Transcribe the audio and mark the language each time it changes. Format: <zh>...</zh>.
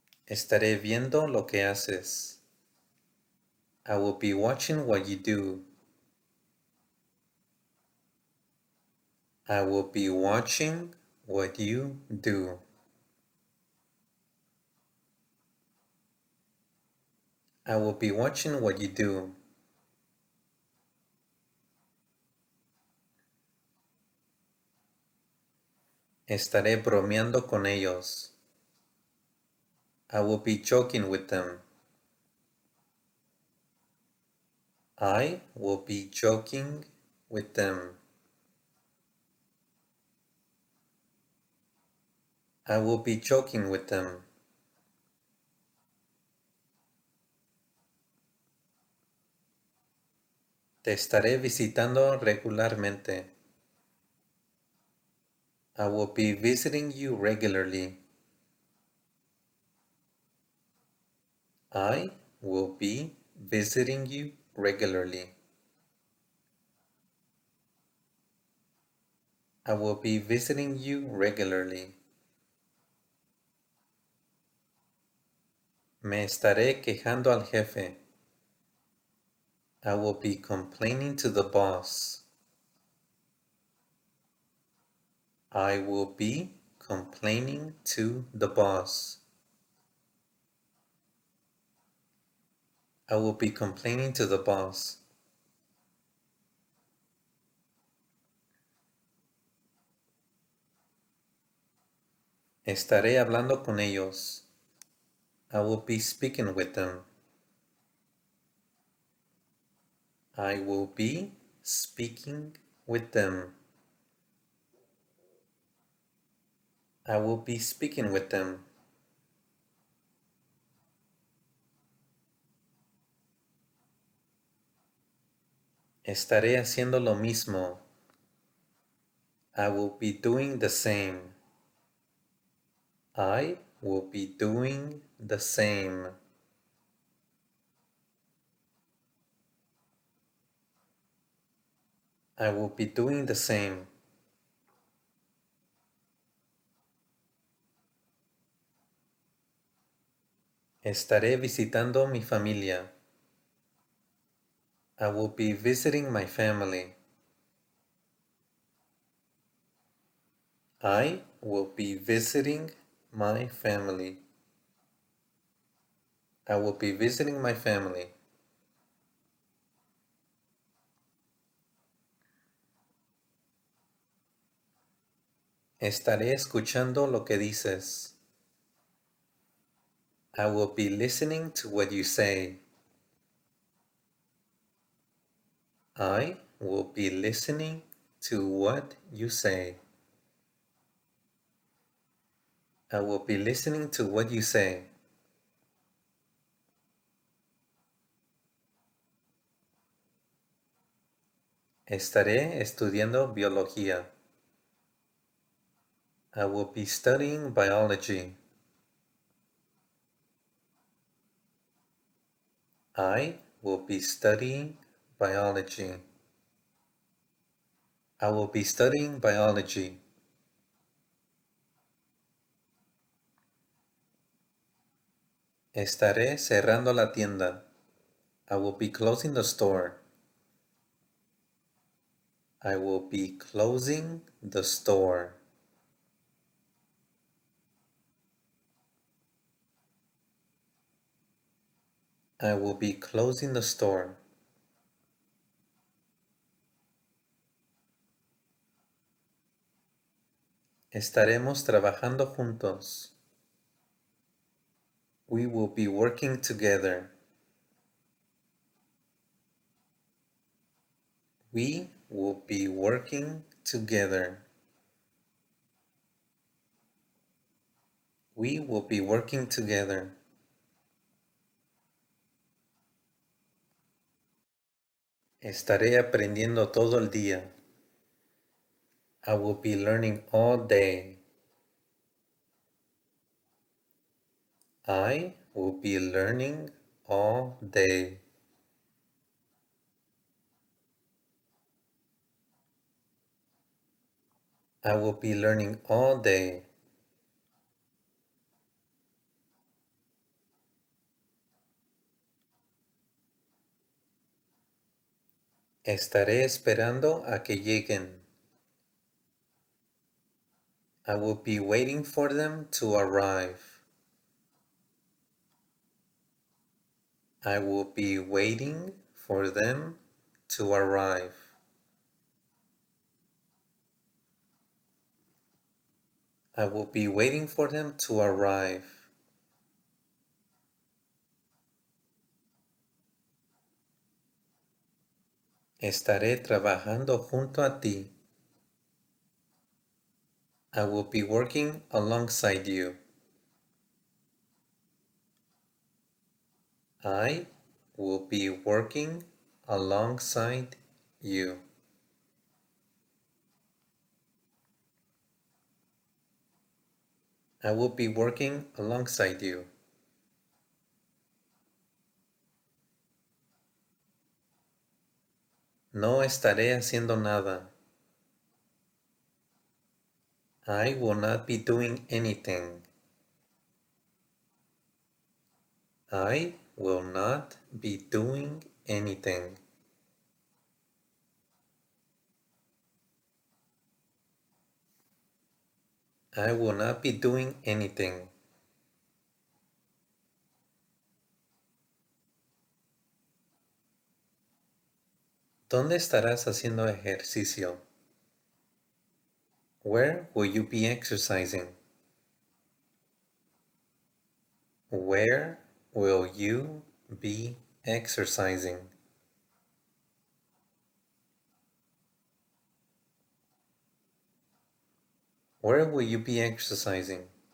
<es>Estaré viendo lo que haces.</es> <en>I will be watching what you do. I will be watching what you do. I will be watching what you do.</en> <es>Estaré bromeando con ellos.</es> <en>I will be joking with them. I will be joking with them. I will be joking with them.</en> <es>Te estaré visitando regularmente.</es> <en>I will be visiting you regularly. I will be visiting you regularly. I will be visiting you regularly.</en> <es>Me estaré quejando al jefe.</es> <en>I will be complaining to the boss. I will be complaining to the boss. I will be complaining to the boss.</en> <es>Estaré hablando con ellos.</es> <en>I will be speaking with them. I will be speaking with them. I will be speaking with them.</en> <es>Estaré haciendo lo mismo.</es> <en>I will be doing the same. I will be doing the same. I will be doing the same.</en> <es>Estaré visitando mi familia.</es> <en>I will be visiting my family. I will be visiting my family. I will be visiting my family.</en> <es>Estaré escuchando lo que dices.</es> <en>I will be listening to what you say. I will be listening to what you say. I will be listening to what you say.</en> <es>Estaré estudiando biología.</es> <en>I will be studying biology. I will be studying biology. I will be studying biology.</en> <es>Estaré cerrando la tienda.</es> <en>I will be closing the store. I will be closing the store. I will be closing the store.</en> <es>Estaremos trabajando juntos.</es> <en>We will be working together. We will be working together. We will be working together.</en> <es>Estaré aprendiendo todo el día.</es> <en>I will be learning all day. I will be learning all day. I will be learning all day.</en> <es>Estaré esperando a que lleguen.</es> <en>I will be waiting for them to arrive. I will be waiting for them to arrive. I will be waiting for them to arrive.</en> <es>Estaré trabajando junto a ti.</es> <en>I will be working alongside you. I will be working alongside you. I will be working alongside you.</en> <es>No estaré haciendo nada.</es> <en>I will not be doing anything. I will not be doing anything. I will not be doing anything.</en> <es>¿Dónde estarás haciendo ejercicio?</es> <en>Where will you be exercising? Where will you be exercising? Where will you be exercising?</en>